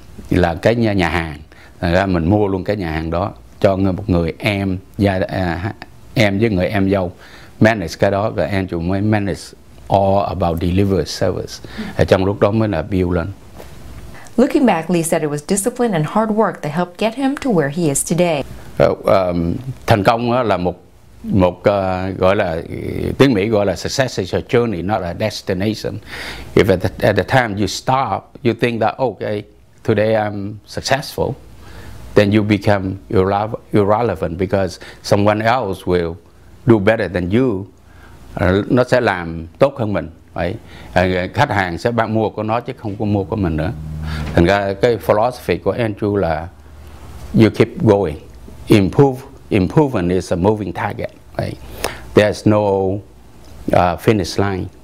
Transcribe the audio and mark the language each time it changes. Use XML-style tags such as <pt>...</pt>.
<vi>Là cái nhà hàng, thành ra mình mua luôn cái nhà hàng đó cho một người em gia em với người em dâu manage cái đó, và Andrew mới</vi> <en>manage all about delivery service.</en> <vi>Trong lúc đó mới là build lên.</vi> <en>Looking back, Lee said it was discipline and hard work that helped get him to where he is today.</en> <vi>Thành công là một gọi là tiếng Mỹ gọi là</vi> <en>success is a journey, not a destination. If at the time you stop, you think that okay, today I'm successful, then you become irrelevant because someone else will do better than you.</en> <vi>Nó sẽ làm tốt hơn mình. Right? Khách hàng sẽ bán mua của nó chứ không có mua của mình nữa. Thành ra cái philosophy của Andrew là</vi> <en>you keep going. Improvement is a moving target. Right? There's no finish line.</en>